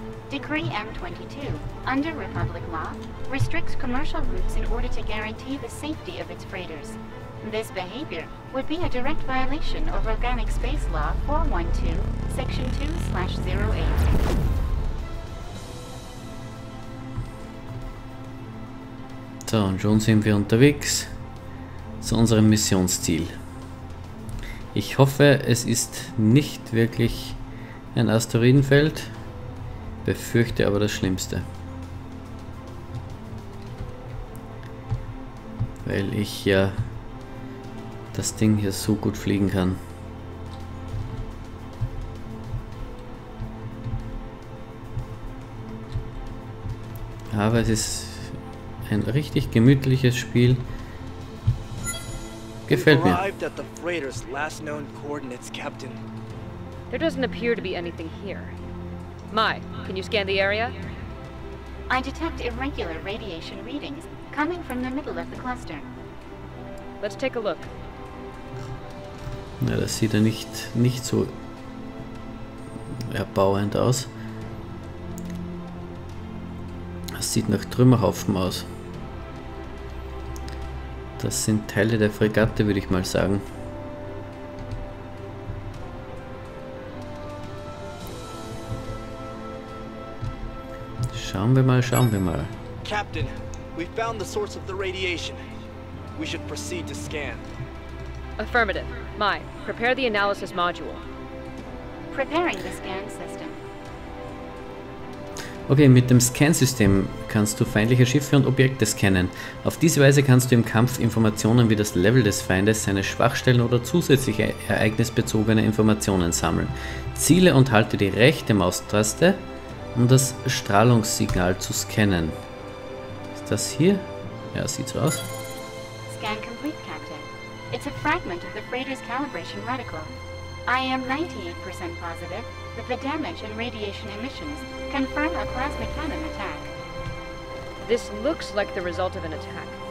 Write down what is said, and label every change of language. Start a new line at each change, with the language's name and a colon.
English: Decree M22, under Republic law, restricts commercial routes in order to guarantee the safety of its freighters. This behavior would be a direct violation of Organic Space Law 412, Section 2/08.
German: So, und schon sind wir unterwegs zu unserem Missionsziel. Ich hoffe, es ist nicht wirklich ein Asteroidenfeld. Befürchte aber das Schlimmste. Weil ich ja das Ding hier so gut fliegen kann. Aber es ist ein richtig gemütliches Spiel. Gefällt mir.
English: Arrived at the freighter's last known coordinates, Captain. There doesn't appear to be anything here. Mai, can you scan the area? I detect irregular radiation readings coming from the middle of the cluster. Let's take a look.
German: Na, das sieht ja nicht so erbauend aus. Das sieht nach Trümmerhaufen aus. Das sind Teile der Fregatte, würde ich mal sagen. Schauen wir mal.
English: Captain, we found the source of the radiation. We should proceed to scan. Affirmative. Mai, prepare the analysis module. Preparing the scan system.
German: Okay, mit dem Scansystem kannst du feindliche Schiffe und Objekte scannen. Auf diese Weise kannst du im Kampf Informationen wie das Level des Feindes, seine Schwachstellen oder zusätzliche ereignisbezogene Informationen sammeln. Ziele und halte die rechte Maustaste, um das Strahlungssignal zu scannen. Ist das hier? Ja, sieht so aus.
English: Scan complete, Captain. It's a fragment of the freighter's calibration reticle. I am 98% positive. The damage and radiation emissions confirm a plasma cannon attack. This looks like the result of an attack.